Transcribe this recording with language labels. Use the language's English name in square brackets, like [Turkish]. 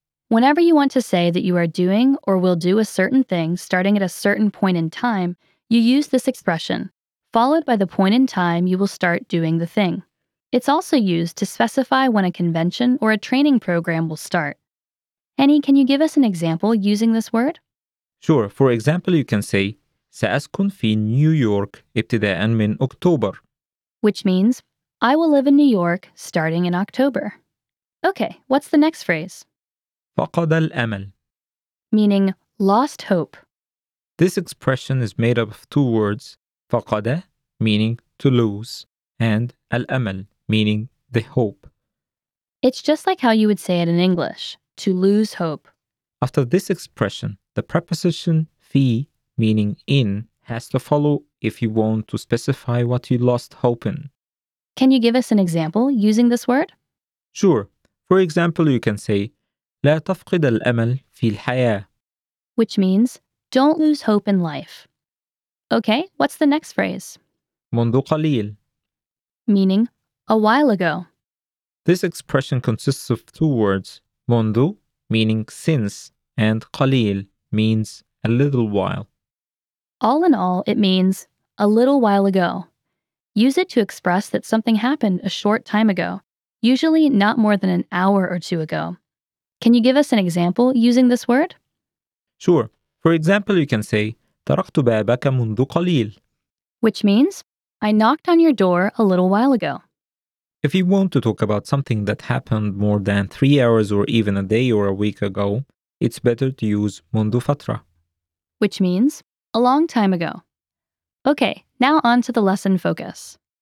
[English] Whenever you want to say that you are doing or will do a certain thing starting at a certain point in time, you use this expression, followed by the point in time you will start doing the thing. It's also used to specify when a convention or a training program will start. Henny, can you give us an example using this word? Sure. For example, you can say, [Arabic] سأسكن في نيويورك ابتداء من أكتوبر. [English] Which means, I will live in New York starting in October. Okay, what's the next phrase? [Arabic] فقد الأمل, [English] meaning lost hope. This expression is made up of two words, فقد, meaning to lose, and الأمل, meaning the hope. It's just like how you would say it in English, to lose hope. After this expression, the preposition في, meaning in, has to follow if you want to specify what you lost hope in. Can you give us an example using this word? Sure. For example, you can say, [Arabic] لا تفقد الأمل في الحياة. [English] Which means, don't lose hope in life. Okay, what's the next phrase? [Arabic] منذ قليل. [English] Meaning, a while ago. This expression consists of two words, منذ, meaning since, and قليل, means a little while. All in all, it means a little while ago. Use it to express that something happened a short time ago, usually not more than an hour or two ago. Can you give us an example using this word? Sure. For example, you can say, [Arabic] تركت بابك منذ قليل. [English] Which means, I knocked on your door a little while ago. If you want to talk about something that happened more than 3 hours or even a day or a week ago, it's better to use منذ فترة. Which means, a long time ago. Okay, now on to the lesson focus.